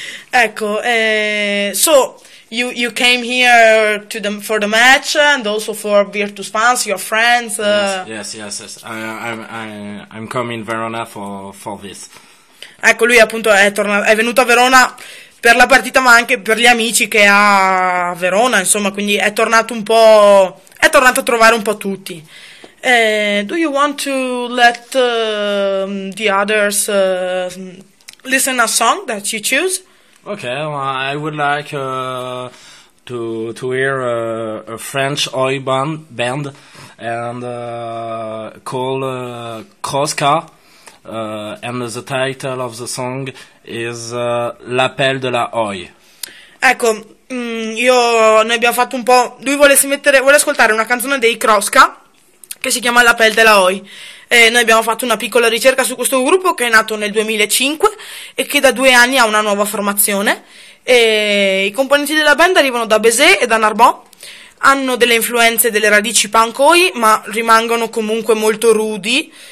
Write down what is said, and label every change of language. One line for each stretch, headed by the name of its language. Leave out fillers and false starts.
English: Ecco, so you came here for the match and also for Virtus fans, your friends. Yes. I'm coming Verona for this.
Italian: Ecco, lui appunto è venuto a Verona per la partita, ma anche per gli amici che ha a Verona, insomma, quindi è tornato a trovare un po' tutti.
English: Do you want to let the others listen a song that you choose? Okay, well, I would like to hear a French oi band and called Kroska, and the title of the song is L'appel de la oi.
Italian: Ecco, noi abbiamo fatto un po'. Lui vuole ascoltare una canzone dei Kroska che si chiama L'appel de la oi. Noi abbiamo fatto una piccola ricerca su questo gruppo che è nato nel 2005 e che da 2 anni ha una nuova formazione. I componenti della band arrivano da Bézé e da Narbonne, hanno delle influenze delle radici pankoi, ma rimangono comunque molto rudi.